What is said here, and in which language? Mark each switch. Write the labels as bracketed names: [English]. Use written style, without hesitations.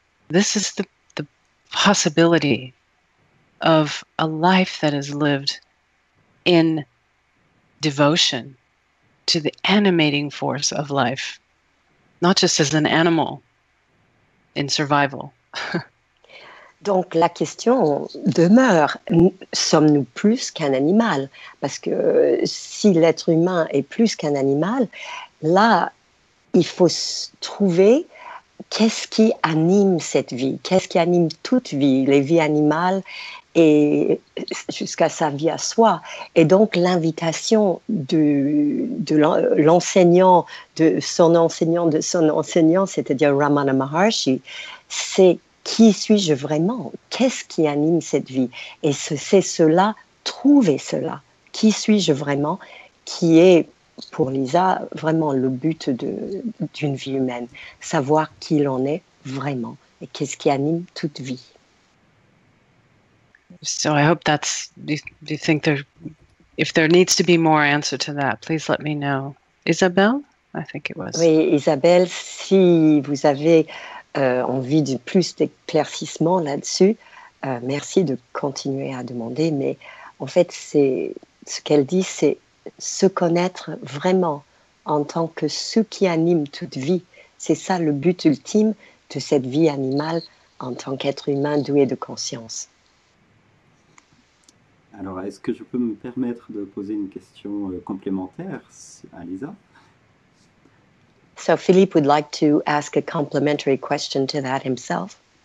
[English] This is the possibility of a life that is lived in devotion to the animating force of life, not just as an animal in survival. [French] Donc la question demeure, sommes-nous plus qu'un animal? Parce que si l'être humain est plus qu'un animal, là, il faut trouver qu'est-ce qui anime cette vie, qu'est-ce qui anime toute vie, les vies animales et jusqu'à sa vie à soi. Et donc l'invitation de l'enseignant, de son enseignant, c'est-à-dire Ramana Maharshi, c'est qui suis-je vraiment? Qu'est-ce qui anime cette vie? Et c'est cela, trouver cela, qui suis-je vraiment, qui est pour Lisa vraiment le but d'une vie humaine, savoir qui l'on est vraiment et qu'est-ce qui anime toute vie. [English] So I hope that's, do you think there, if there needs to be more answer to that, please let me know. Isabelle, I think it was. [French] Oui, Isabelle, si vous avez envie de plus d'éclaircissement là-dessus, merci de continuer à demander, mais en fait, c'est ce qu'elle dit, c'est se connaître vraiment en tant que ce qui anime toute vie. C'est ça le but ultime de cette vie animale en tant qu'être humain doué de conscience. Alors, est-ce que je peux me permettre de poser une question complémentaire à Lisa? [English] So Philippe would like to ask a complimentary question to that himself.